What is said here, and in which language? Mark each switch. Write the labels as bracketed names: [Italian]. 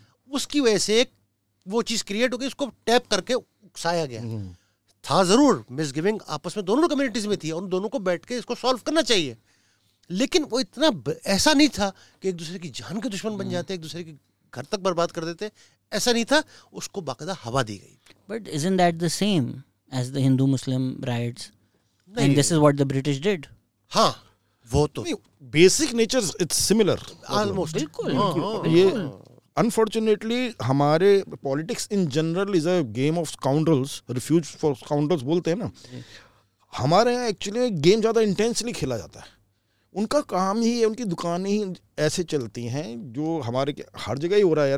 [Urdu] اس کی وجہ سے ایک وہ چیز کریٹ ہو گئی, اس کو ٹیپ کر کے اکسایا گیا. تھا ضرور مس گیونگ آپس میں دونوں کمیونٹیز میں تھی, اور ان دونوں کو بیٹھ کے اس کو سالو کرنا چاہیے, لیکن وہ اتنا ایسا نہیں تھا کہ ایک دوسرے کی جان کے دشمن بن جاتے, ایک دوسرے کے گھر تک برباد کر دیتے, ایسا نہیں تھا. اس کو باقاعدہ ہوا دی گئی. [English] But isn't that the same as the Hindu Muslim riots and this is what the British did? [Urdu] ہاں وہ تو [English] Basic nature it's similar almost. [Urdu] یہ انفارچونیٹلی ہمارے politics [English] in general is a game of scoundrels, refuge for scoundrels [Urdu] بولتے ہیں نا, ہمارے یہاں ایکچولی گیم زیادہ انٹینسلی کھیلا جاتا ہے. ان کا کام ہی ہے, ان کی دکانیں ہی ایسے چلتی ہیں, جو ہمارے ہر جگہ ہی ہو رہا ہے یار.